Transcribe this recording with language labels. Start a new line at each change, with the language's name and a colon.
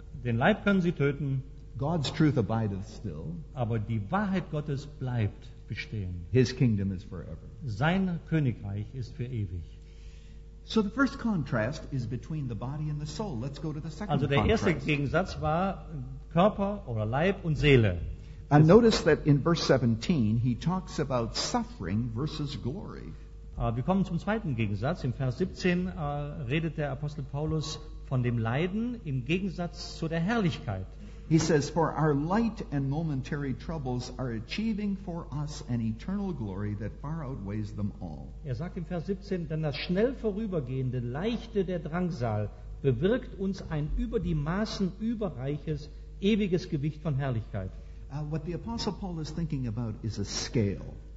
German: Den Leib können sie töten.
English: God's truth abideth still.
German: Aber die Wahrheit Gottes bleibt bestehen.
English: His kingdom is forever.
German: Sein Königreich ist für ewig.
English: So the first contrast is between the body and the soul. Let's go to the second contrast.
German: Also der erste Gegensatz war Körper oder Leib und Seele.
English: And notice that in verse 17 he talks about suffering versus glory.
German: Wir kommen zum zweiten Gegensatz. Im Vers 17 redet der Apostel Paulus von dem Leiden im Gegensatz zu der Herrlichkeit.
English: He says, for our light and momentary troubles are achieving for us an eternal glory that far outweighs them all.
German: Er sagt im Vers 17, denn das schnell vorübergehende, leichte der Drangsal bewirkt uns ein über die Maßen überreiches, ewiges Gewicht von Herrlichkeit.
English: What the Apostle Paul is thinking about is a scale.